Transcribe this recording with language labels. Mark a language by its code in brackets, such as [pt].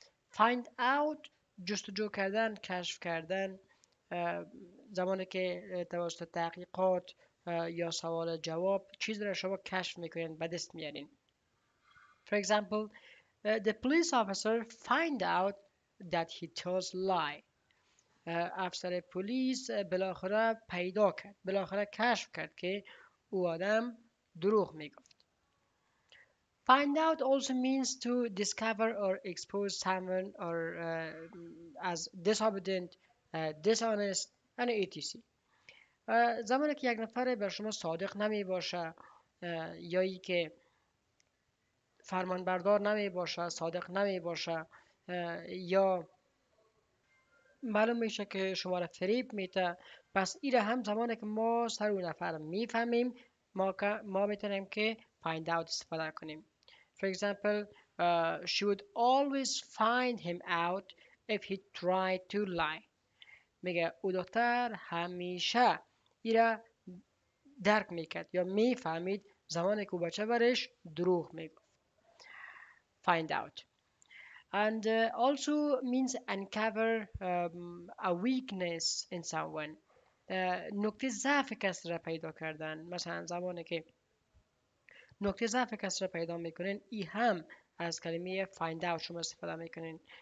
[fa] Find out, جستجو کردن، کشف کردن، زمانی که توسط تحقیقات یا سوال جواب چیز را شما کشف میکنین، به دست میارین. [en] For example, the police officer find out that he tells lie. [fa] افسر پلیس بالاخره پیدا کرد، بالاخره کشف کرد که او آدم دروغ میگفت. [en] Find out also means to discover or expose someone or as disobedient, dishonest, and etc. [fa] زمانی که یک نفر بر شما صادق نمی باشه یا ای که فرمانبردار نمی باشه، صادق نمی باشه یا معلوم میشه که شما را فریب میده، پس این هم زمانی که ما سر اون نفر میفهمیم ما میتونیم که find out استفاده کنیم. [en] For example, she would always find him out if he tried to lie. [fa] میگه او دختر همیشه ای را درک میکرد یا میفهمید زمانی که او بچه برش دروغ میگفت. [en] Find out. And also means uncover a weakness in someone. [fa] نکته ضعف کسی را پیدا کردن. مثلا زمانی که نکته ضعف کسی را پیدا میکنین ای هم از کلمه find out شما استفاده میکنین.